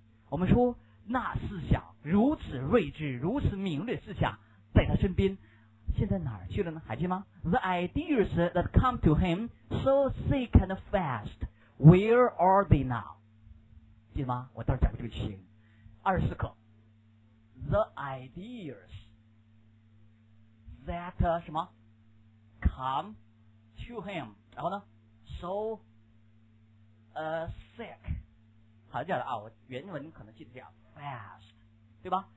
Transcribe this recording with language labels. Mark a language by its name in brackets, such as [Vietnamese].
[Chinese] 我们说那思想如此睿智，如此敏锐，思想在他身边，现在哪儿去了呢？还记得吗？ [English] The ideas that come to him so thick and fast, where are they now? [Chinese] 记得吗？我到时候讲过这个句型。二十四课 [English] The ideas that [Chinese] 什么 [English] come to him, [Chinese] 然后呢 [English] so thick, [Chinese] 好像这样的啊，我原文可能记得这样 fast, 对吧？